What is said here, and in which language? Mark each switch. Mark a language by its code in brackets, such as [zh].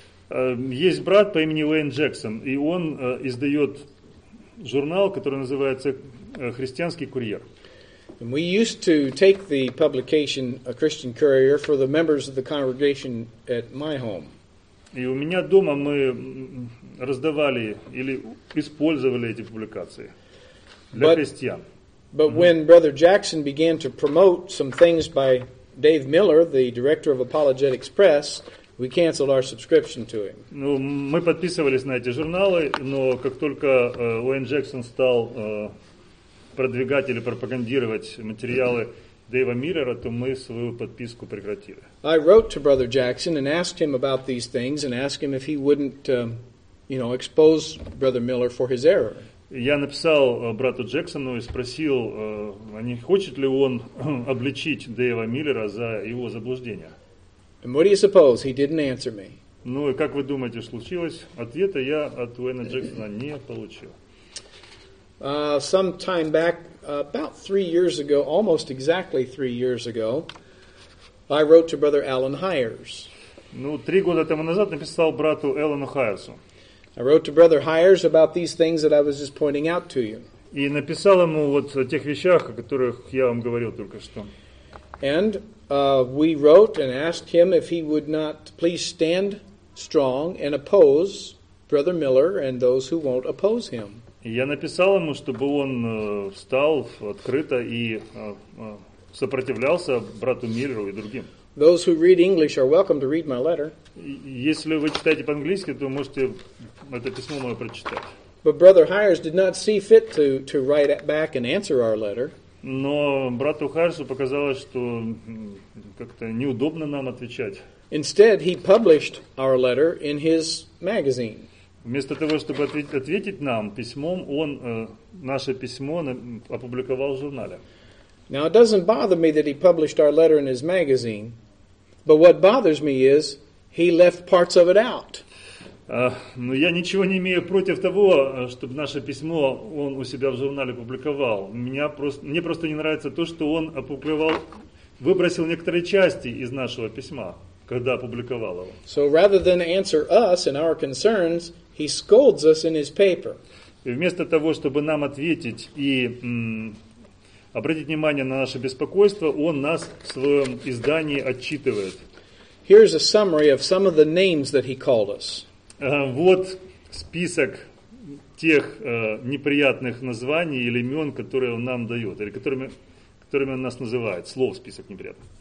[ru] Есть брат по имени Уэйн Джексон, и он издает журнал, который называется «Христианский курьер». [en] And we used to take the publication a Christian Courier for the members of the congregation at my home. [ru] И у меня дома мы раздавали или использовали эти публикации для христиан. [en] But when Brother Jackson began to promote some things by Dave Miller, the director of Apologetics Press, We canceled our subscription to him. [ru] Ну, мы подписывались на эти журналы, но как только Уэйн Джексон стал продвигать или пропагандировать материалы Дэйва Миллера, то мы свою подписку прекратили. [en] I wrote to Brother Jackson and asked him about these things and asked him if he wouldn't, you know, expose Brother Miller for his error. [ru] Я написал брату Джексону и спросил, не хочет ли он обличить Дэйва Миллера за его заблуждение. [en] And what do you suppose? He didn't answer me. [ru] Ну и как вы думаете, случилось? Ответа я от Уэйна Джексона не получил. [en] Some time back, about 3 years ago, almost exactly 3 years ago, I wrote to Brother Alan Hires. [ru] Ну, 3 года тому назад написал брату Эллену Хайерсу. [en] I wrote to Brother Hires about these things that I was just pointing out to you. [ru] И написал ему вот о тех вещах, о которых я вам говорил только что. [en] And we wrote and asked him if he would not please stand strong and oppose Brother Miller and those who won't oppose him. [ru] Я написал ему, чтобы он встал открыто и сопротивлялся брату Миллеру и другим. [en] Those who read English are welcome to read my letter. [ru] Если вы читаете по-английски, то можете это письмо мое прочитать. [en] But Brother Hires did not see fit to write back and answer our letter. [ru] Но брату Хайерсу показалось, что как-то неудобно нам отвечать. [en] Instead, he published our letter in his magazine. [ru] Вместо того, чтобы ответить нам письмом, он наше письмо опубликовал в журнале. [en] Now, it doesn't bother me that he published our letter in his magazine, but what bothers me is he left parts of it out. [ru] Но я ничего не имею против того, чтобы наше письмо он у себя в журнале публиковал. Мне просто не нравится то, что он опубликовал, выбросил некоторые части из нашего письма, когда опубликовал его. [en] So rather than answer us and our concerns, he scolds us in his paper. [ru] И вместо того, чтобы нам ответить и обратить внимание на наше беспокойство, он нас в своем издании отчитывает. [en] Here's a summary of some of the names that he called us. [ru] Вот список тех неприятных названий или имен, которые он нам дает, или которыми он нас называет. Слов список неприятных.